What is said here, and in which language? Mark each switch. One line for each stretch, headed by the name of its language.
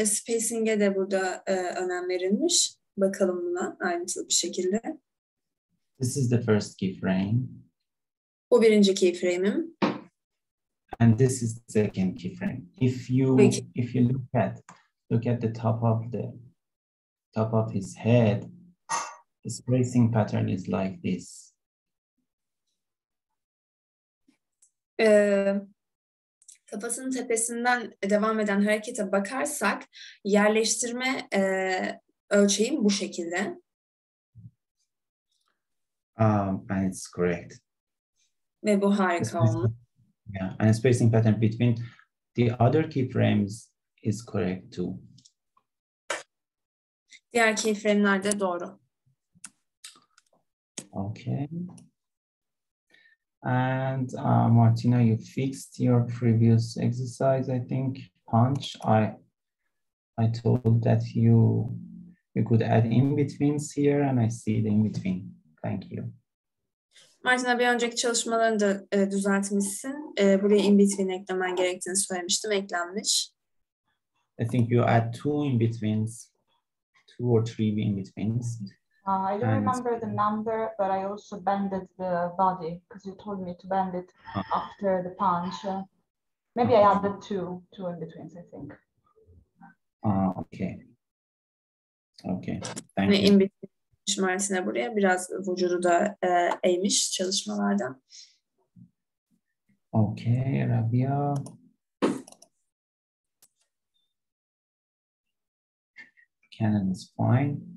Turkish: Spacing'e de burada önem verilmiş. Bakalım buna ayrıntılı bir şekilde.
English: This is the first keyframe.
Turkish: Bu birinci keyframe'im.
English: And this is the second keyframe. If you look at the top of his head, the spacing pattern is like this.
Turkish: Kafasının tepesinden devam eden harekete bakarsak yerleştirme ölçeği bu şekilde.
English: And it's correct.
Turkish: Ve bu harika olmuş.
English: Yeah, and the spacing pattern between the other keyframes is correct too.
Turkish: Diğer keyframe'ler de doğru.
English: Okay. And Martina, you fixed your previous exercise, I think. Punch. I told that you could add in-betweens here, and I see the in-between. Thank you.
Turkish: Martina, bir önceki çalışmalarını da düzeltmişsin. Buraya in-between eklemen gerektiğini söylemiştim. Eklenmiş.
English: I think you add two in-betweens. Two or three in-betweens. I don't remember the number, but I also bended the body because you told me to bend it after the punch. Maybe I added two in-betweens, I think. Okay. Okay. Thank you. In-between.
Turkish: Martina buraya biraz vücudu da eğmiş çalışmalardan.
English: Okay, Rabia. Canon is fine.